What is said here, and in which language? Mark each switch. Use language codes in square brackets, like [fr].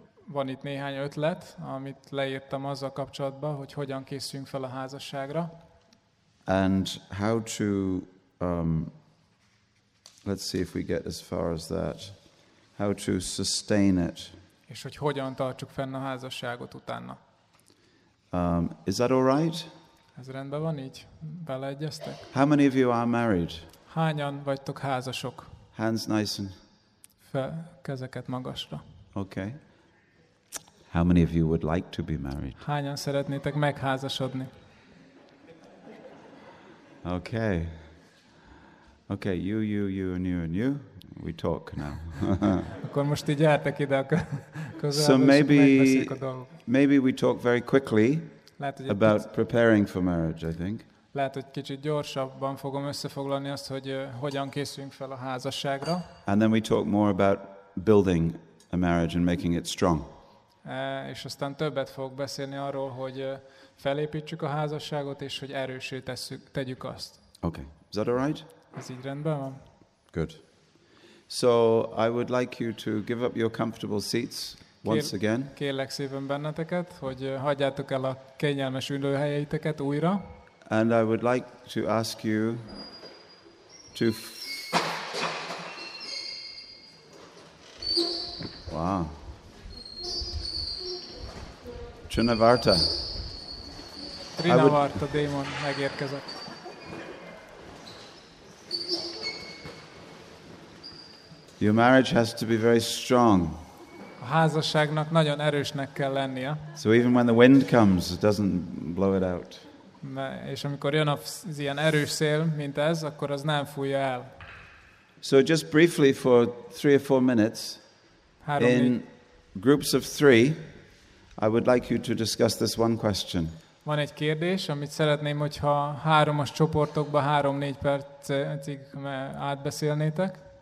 [hu] Van itt néhány ötlet, amit leírtam azzal kapcsolatban, hogy hogyan készüljünk fel a házasságra. [en] And how to, let's see if we get as far as that, how to sustain it. [hu] És hogy hogyan tartsuk fenn a házasságot utána. [en] Is that all right? [hu] Ez rendben van így? Beleegyeztek? [en] How many of you are married? [hu] Hányan vagytok házasok? [en] Hands nice and... [hu] Kezeket magasra. [en] Okay. How many of you would like to be married? [hu] Hányan szeretnétek megházasodni? [en] Okay. Okay, you and you and you. We talk now. [hu] Akkor most így jártak ide. [en] So maybe we talk very quickly about preparing for marriage, I think. [hu] Lehet, hogy kicsit gyorsabban fogom összefoglalni azt, hogy hogyan készüljünk fel a házasságra. [en] And then we talk more about building a marriage and making it strong. [hu] És aztán többet fogok beszélni arról, hogy felépítsük a házasságot, és hogy erőssé tegyük azt. [en] Okay. Is that all right? [hu] Ez így rendben van. [en] Good. So I would like you to give up your comfortable seats once again. [hu] Kérlek szépen benneteket, hogy hagyjátok el a kényelmes ülőhelyeiteket újra. [en] And I would like to ask you to... Wow. Trinavarta. [hu] Trinavarta, démon, megérkezett. [en] Your marriage has to be very strong. [hu] A házasságnak nagyon erősnek kell lennie. [en] So even when the wind comes, it doesn't blow it out. [hu] És amikor jön az ilyen erős szél, mint ez, akkor az nem fújja el. [en] So just briefly for 3 or 4 minutes, in groups of three, I would like you to discuss this one question. [hu] Van egy kérdés, amit szeretném, hogyha háromos csoportokba 3-4 percig átbeszélnétek.